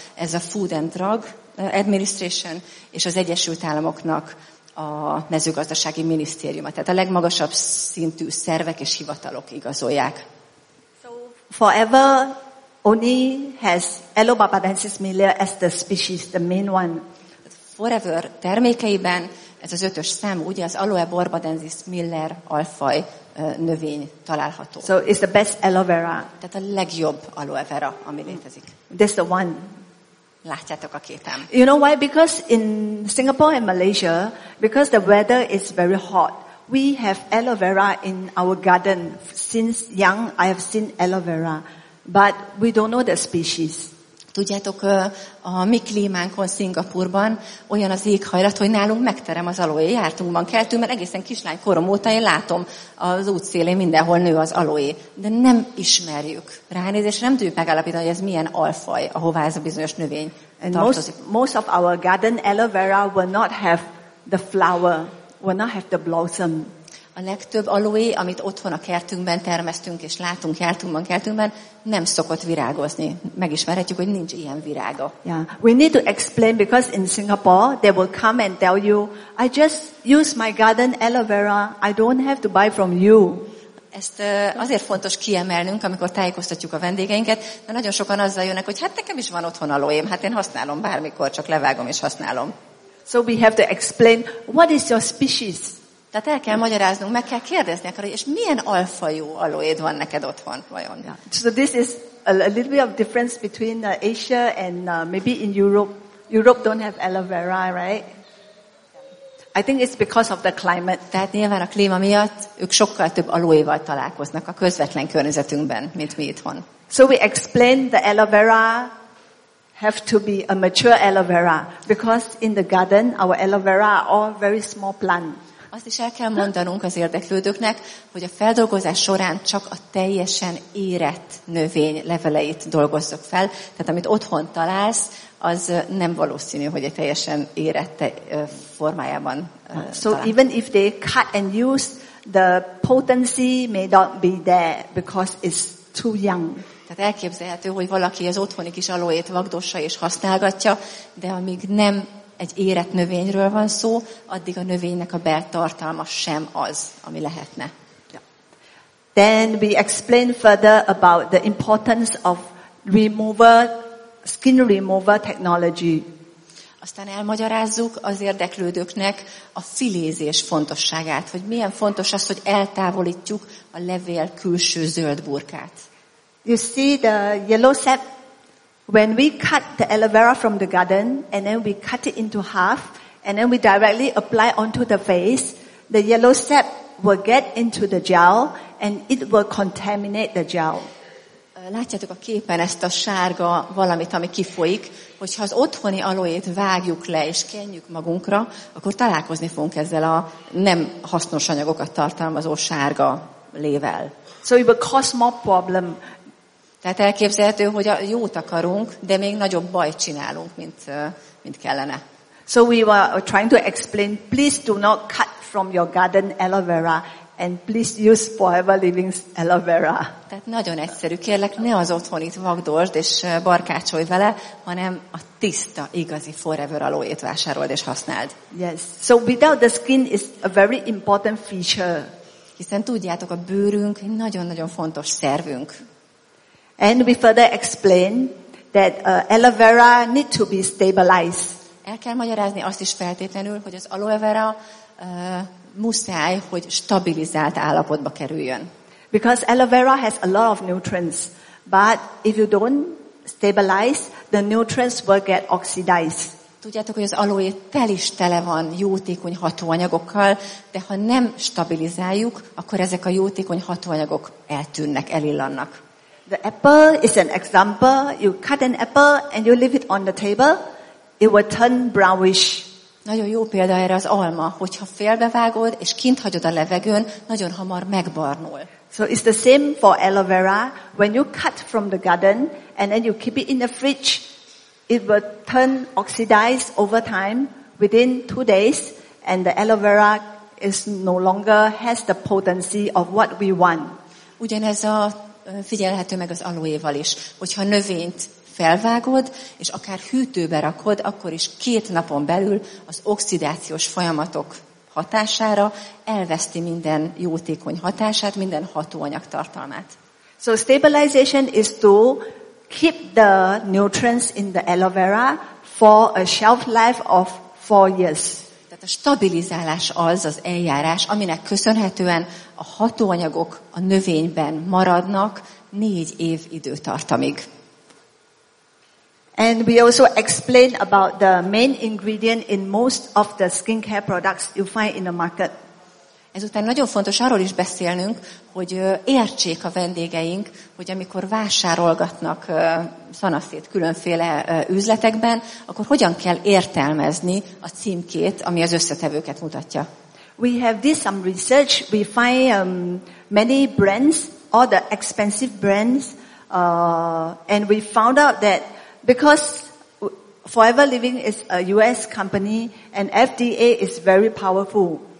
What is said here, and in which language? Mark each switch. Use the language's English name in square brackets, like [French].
[Hungarian] Ez a Food and Drug Administration és az Egyesült Államoknak a mezőgazdasági minisztériuma. Tehát a legmagasabb szintű szervek és hivatalok igazolják. [English] So Forever only has Aloe Barbadensis Miller as the species, the main one. [Hungarian] Forever termékeiben ez az ötös szám, ugye az Aloe Barbadensis Miller alfaj növény található. [English] So it's the best aloe vera. [Hungarian] Tehát a legjobb aloe vera, ami létezik. [English] That's the one. [Hungarian] Látjátok a képen. [English] You know why? Because in Singapore and Malaysia, because the weather is very hot, we have aloe vera in our garden. Since young, I have seen aloe vera. But we don't know the species. [Hungarian] Tudjátok, a mi klímánkon Szingapurban olyan az éghajlat, hogy nálunk megterem az aloé. Jártunkban keltünk, mert egészen kislány korom óta én látom az útszélén mindenhol nő az aloé. De nem ismerjük. Ránézésre nem tudjuk megállapítani, hogy ez milyen alfaj, ahová ez a bizonyos növény tartozik. [English] Most of our garden aloe vera will not have the flower, will not have the blossom. [Hungarian] A legtöbb aloé, amit otthon a kertünkben termesztünk, és látunk kertünkben, nem szokott virágozni. Megismerhetjük, hogy nincs ilyen virága. [English] Yeah. We need to explain because in Singapore they will come and tell you, I just use my garden aloe vera, I don't have to buy from you. [Hungarian] Ezt azért fontos kiemelnünk, amikor tájékoztatjuk a vendégeinket, mert nagyon sokan azzal jönnek, hogy hát nekem is van otthon aloém, hát én használom bármikor, csak levágom és használom. [English] So we have to explain, what is your species? [Hungarian] Tehát el kell magyaráznunk, meg kell kérdezni, és milyen alfajú aloéd van neked otthon, vajon? [English] So this is a little bit of difference between Asia and maybe in Europe. Europe don't have aloe vera, right? I think it's because of the climate. [Hungarian] Tehát nyilván a klíma miatt ők sokkal több aloéval találkoznak a közvetlen környezetünkben, mint mi itthon. [English] So we explain the aloe vera have to be a mature aloe vera, because in the garden our aloe vera are all very small plants. [Hungarian] Azt is el kell mondanunk az érdeklődőknek, hogy a feldolgozás során csak a teljesen érett növény leveleit dolgozzuk fel. Tehát amit otthon találsz, az nem valószínű, hogy egy teljesen érett formájában So talál. [English] Even if they cut and use, the potency may not be there, because it's too young. [Hungarian] Tehát elképzelhető, hogy valaki az otthoni kis aloét vagdossa és használgatja, de amíg nem egy érett növényről van szó, addig a növénynek a beltartalma sem az, ami lehetne. [English] Yeah. Then we explain further about the importance of remover, skin remover technology. [Hungarian] Aztán elmagyarázzuk az érdeklődőknek a filézés fontosságát, hogy milyen fontos az, hogy eltávolítjuk a levél külső zöld burkát. [English] You see the yellow sap? When we cut the aloe vera from the garden and then we cut it into half and then we directly apply onto the face, the yellow sap will get into the gel and it will contaminate the gel. [Hungarian] Látjátok a képen ezt a sárga valamit, ami kifolyik, hogyha az otthoni aloét vágjuk le és kenjük magunkra, akkor találkozni fogunk ezzel a nem hasznos anyagokat tartalmazó sárga lével. [English] So it will cause more problem. [Hungarian] Tehát elképzelhető, hogy jót akarunk, de még nagyobb bajt csinálunk, mint kellene. [English] So we were trying to explain, please do not cut from your garden aloe vera, and please use forever living aloe vera. [Hungarian] Tehát nagyon egyszerű, kérlek, ne az otthonit vagdosd és barkácsolj vele, hanem a tiszta, igazi forever aloét vásárold és használd. [English] Yes, so without the skin is a very important feature. [Hungarian] Hiszen tudjátok, a bőrünk nagyon-nagyon fontos szervünk. [English] And we further explain that aloe vera need to be stabilized. [Hungarian] El kell magyarázni azt is feltétlenül, hogy az aloe vera muszáj, hogy stabilizált állapotba kerüljön. [English] Because aloe vera has a lot of nutrients, but if you don't stabilize, the nutrients will get oxidized. [Hungarian] Tudjátok, hogy az aloe tel is tele van jótékony hatóanyagokkal, de ha nem stabilizáljuk, akkor ezek a jótékony hatóanyagok eltűnnek, elillannak. [English] The apple is an example. You cut an apple and you leave it on the table, it will turn brownish. [Hungarian] Nagyon jó példa erre az alma, hogyha félbevágod és kint hagyod a levegőn, nagyon hamar megbarnul. [English] So it's the same for aloe vera. When you cut from the garden and then you keep it in the fridge, it will turn oxidized over time within 2 days and the aloe vera is no longer has the potency of what we want. [Hungarian] Ugyanez a figyelhető meg az aloéval is. Hogyha növényt felvágod, és akár hűtőbe rakod, akkor is 2 napon belül az oxidációs folyamatok hatására elveszti minden jótékony hatását, minden hatóanyag tartalmát. [English] So stabilization is to keep the nutrients in the aloe vera for a shelf life of 4 years. [Hungarian] Tehát a stabilizálás az az eljárás, aminek köszönhetően a hatóanyagok a növényben maradnak 4 év időtartamig. [English] And we also explain about the main ingredient in most of the skincare products you find in the market. [Hungarian] Ezután nagyon fontos arról is beszélnünk, hogy értsék a vendégeink, hogy amikor vásárolgatnak szanaszét különféle üzletekben, akkor hogyan kell értelmezni a címkét, ami az összetevőket mutatja. [English] We have this some research. We find many brands, all the expensive brands, and we found out that because Forever Living is a US company and FDA is very powerful.